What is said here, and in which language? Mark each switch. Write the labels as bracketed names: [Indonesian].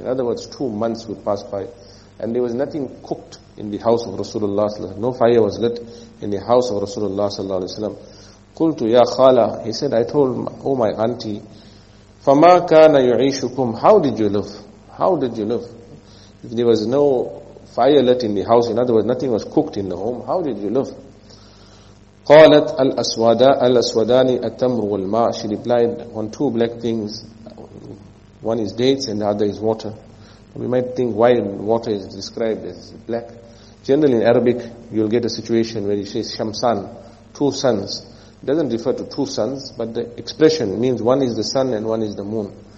[English] In other words, 2 months would pass by, and there was nothing cooked in the house of Rasulullah sallallahu alaihi wasallam. No fire was lit in the house of Rasulullah sallallahu alaihi wasallam. [Arabic] قُلْتُ يَا خَالَ. [English] He said, I told, oh my auntie, [Arabic] فَمَا كَانَ يُعِيشُكُمْ. [English] How did you live? How did you live? If there was no fire lit in the house, in other words, nothing was cooked in the home, how did you live? [Arabic] قالت الأسودا الأسوداني التمر والماء. [English] She replied, on 2 black things, one is dates and the other is water. We might think why water is described as black. Generally in Arabic, you'll get a situation where you say Shamsan, 2 suns. It doesn't refer to 2 suns, but the expression means one is the sun and one is the moon.